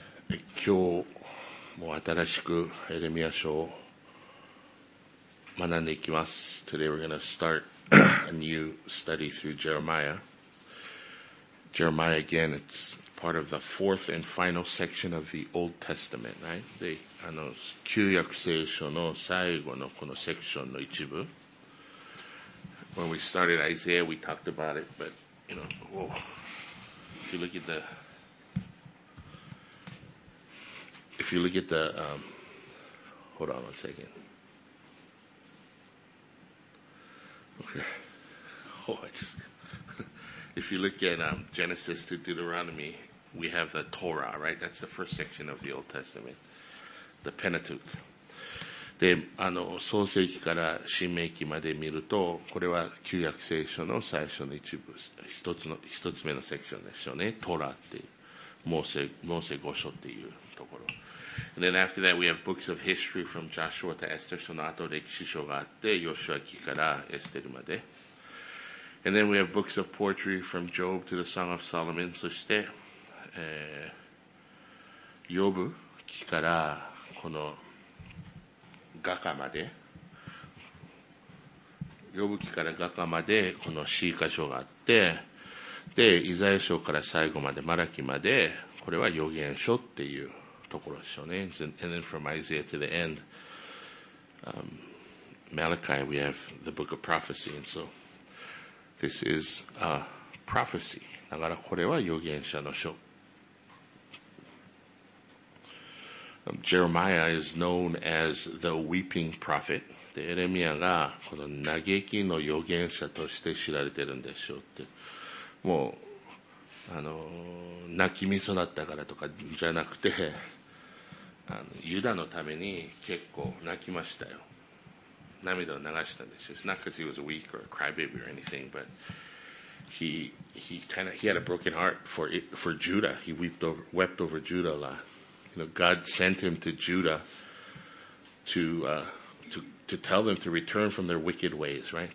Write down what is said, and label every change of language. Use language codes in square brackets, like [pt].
[ja] 今日もう新しくエレミア書を学んでいきます。 [en] Today we're going to start a new study through Jeremiah. Jeremiah again, it's part of the fourth and final section of the Old Testament, right? [ja] で、あの、旧約聖書の最後のこのセクションの一部。 [en] When we started Isaiah, we talked about it, but, you know, whoa. If you look at the hold on one second. Okay. Oh, I just. If you look at Genesis to Deuteronomy, we have the Torah, right? That's the first section of the Old Testament, the Pentateuch. [ja] で、あの創世記から新命記まで見ると、これは旧約聖書の最初の一部、一つ目のセクションですよね。トラっていう、モーセ五書っていうところ。 [en] And then after that, we have books of history from Joshua to Esther. [ja] その後歴史書があって、ヨシュア記からエステルまで。 [en] And then we have books of poetry from Job to the Song of Solomon. [ja] そして、ヨブ記からこの画家まで。ヨブ記から画家までこの詩歌書があって、で、イザヤ書から最後までマラキまで、これは預言書っていう。 [en] And then from Isaiah to the end, Malachi, we have the book of prophecy. And so this is a prophecy. [ja] だからこれは預言者の書。 [en] Jeremiah is known as the weeping prophet. [ja] で、エレミアがこの嘆きの預言者として知られてるんでしょうって。もう、あの、泣き味噌だったからとかじゃなくて、あのユダのために結構泣きましたよ。涙を流したんですよ。 [en] It's not because he was weak or a crybaby or anything, but he had a broken heart for Judah. He wept over Judah a lot. You know, God sent him to Judah to tell them to return from their wicked ways, right?